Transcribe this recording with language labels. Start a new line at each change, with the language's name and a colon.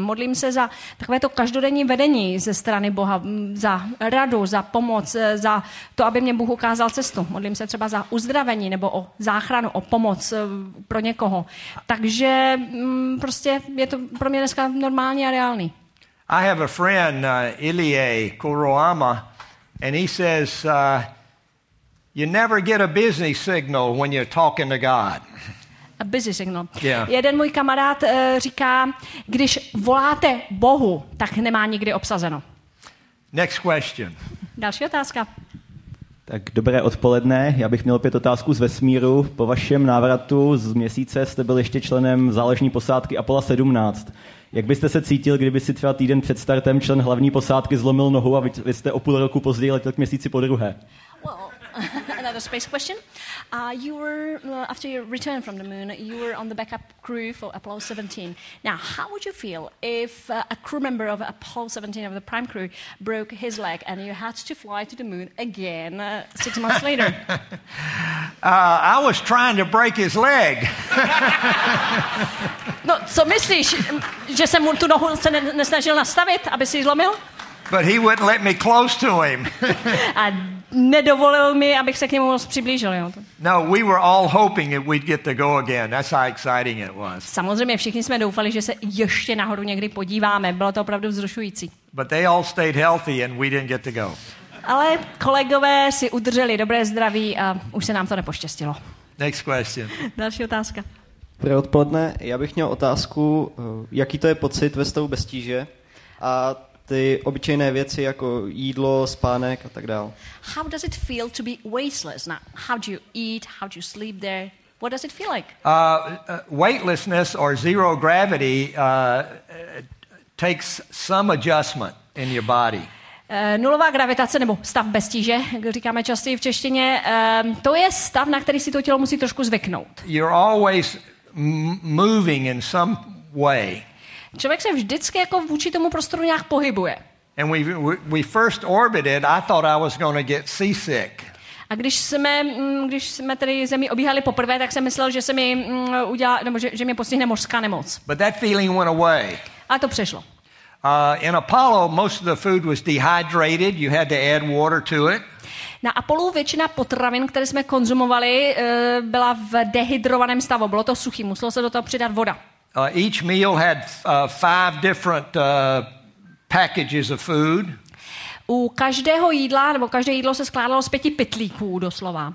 Czech: Modlím se za takové to každodenní vedení ze strany Boha, za radu, za pomoc, za to, aby mě Bůh ukázal cestu. Modlím se třeba za uzdravení nebo o záchranu, o pomoc pro někoho. Takže prostě je to pro mě dneska normální a reálný.
English: I have a friend, Ilie Kuroama. And he says, you never get a busy signal when you're talking to God. A busy signal. Yeah.
Czech: Jeden můj kamarád říká, když voláte Bohu, tak nemá nikdy obsazeno.
English: Next question.
Czech: Další otázka. Tak dobré odpoledne. Já bych měl opět otázku z vesmíru. Po vašem návratu z měsíce jste byl ještě členem záložní posádky Apollo 17. Jak byste se cítil, kdyby si třeba týden před startem člen hlavní posádky zlomil nohu a vy jste o půl roku později letěl k měsíci po druhé?
English: Well, another space question. You were, after your return from the moon, you were on the backup crew for Apollo 17. Now, how would you feel if a crew member of Apollo 17, of the prime crew, broke his leg and you had to fly to the moon again 6 months later? I was trying to break his leg.
Czech: No, co myslíš, že jsem mu tu nohu se nesnažil nastavit, aby si ji zlomil?
English: But he wouldn't let me close to him.
Czech: A nedovolil mi, abych se k němu moc přiblížil, jo.
English: No, we were all hoping that we'd get to go again. That's how exciting it was.
Czech: Samozřejmě všichni jsme doufali, že se ještě nahoru někdy podíváme. Bylo to opravdu vzrušující.
English: But they all stayed healthy and we didn't get to go.
Czech: Ale kolegové si udrželi dobré zdraví a už se nám to nepoštěstilo.
English: Next question.
Czech: Další otázka. Dobré odpoledne. Já bych měl otázku, jaký to je pocit ve stavu bez tíže a ty obyčejné věci jako jídlo, spánek a tak dál.
English: How does it feel to be weightless? Now, how do you eat? How do you sleep there? What does it feel like? Weightlessness or zero gravity takes some adjustment in your body.
Czech: Nulová gravitace nebo stav bez tíže, jak říkáme často v češtině, to je stav, na který si to tělo musí trošku zvyknout.
English: You're always moving in some way.
Czech: Člověk se vždycky jako vůči tomu prostoru nějak pohybuje.
English: And we first orbited, I thought I was going to get seasick.
Czech: A když jsme tady Zemi obíhali poprvé, tak jsem myslel, že se mi udělá nebo že mě postihne mořská nemoc.
English: But that feeling went away.
Czech: A to přešlo.
English: In Apollo most of the food was dehydrated, you had to add water to it.
Czech: Na Apollo většina potravin, které jsme konzumovali, byla v dehydrovaném stavu, bylo to suchý, muselo se do toho přidat voda.
English: Each meal had five different packages of food.
Czech: U každého jídla nebo každé jídlo se skládalo z pěti pytlíků doslova.